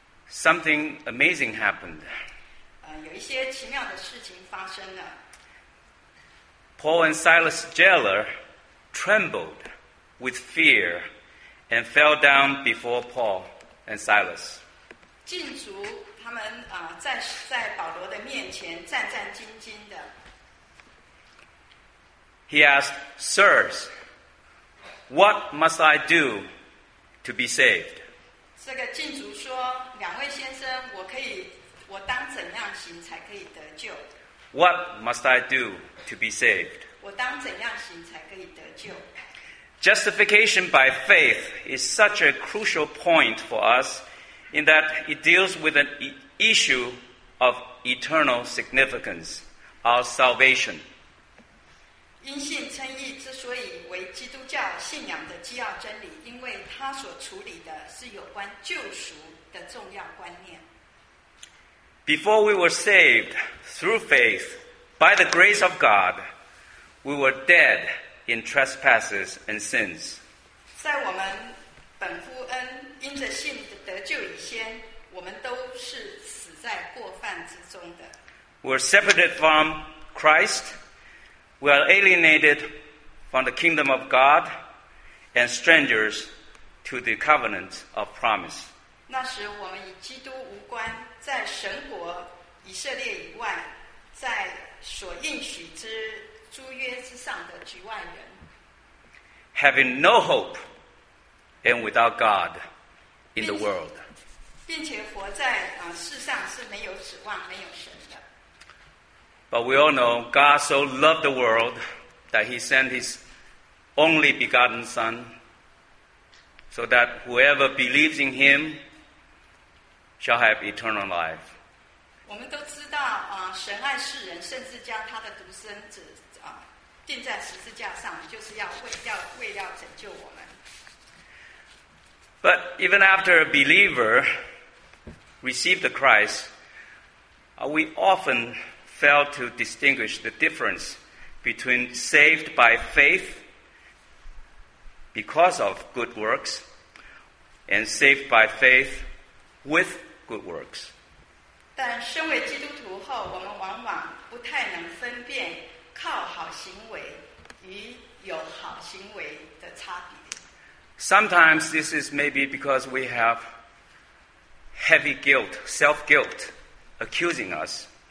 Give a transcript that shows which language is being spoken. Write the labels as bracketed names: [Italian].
[English] Something amazing happened. [Chinese] 有一些奇妙的事情发生了。 [English] Paul and Silas' jailer trembled with fear and fell down before Paul and Silas. [Chinese] 禁足他们在保罗的面前战战兢兢的。 [English] He asked, Sirs, what must I do to be saved? [Chinese] 这个禁足说，两位先生，我当怎样行才可以得救？ [English] What must I do to be saved? [Chinese] 我当怎样行才可以得救？ [English] Justification by faith is such a crucial point for us in that it deals with an issue of eternal significance, our salvation. [Chinese] 因信称义之所以为基督教信仰的基要真理，因为它所处理的是有关救赎的重要观念。 [English] Before we were saved through faith, by the grace of God, we were dead in trespasses and sins. [Chinese] 在我们本乎恩，因着信得救以先，我们都是死在过犯之中的。 [English] We are separated from Christ, we are alienated from the kingdom of God, and strangers to the covenant of promise. [Chinese] 那时我们与基督无关，在神国以色列以外，在所应许之诸约之上的局外人。 [English] Having no hope and without God in the world. [Chinese] 并且活在世上是没有指望没有神的。 [English] But we all know God so loved the world that he sent his only begotten son so that whoever believes in him shall have eternal life. [Chinese] 我们都知道神爱世人，甚至将他的独生子钉在十字架上，就是要拯救我们。 [English] But even after a believer received the Christ, we often fail to distinguish the difference between saved by faith because of good works and saved by faith with good works. [Chinese] 但身为基督徒后，我们往往不太能分辨靠好行为与有好行为的差别。 [English] Sometimes this is maybe because we have heavy guilt, self-guilt, accusing us.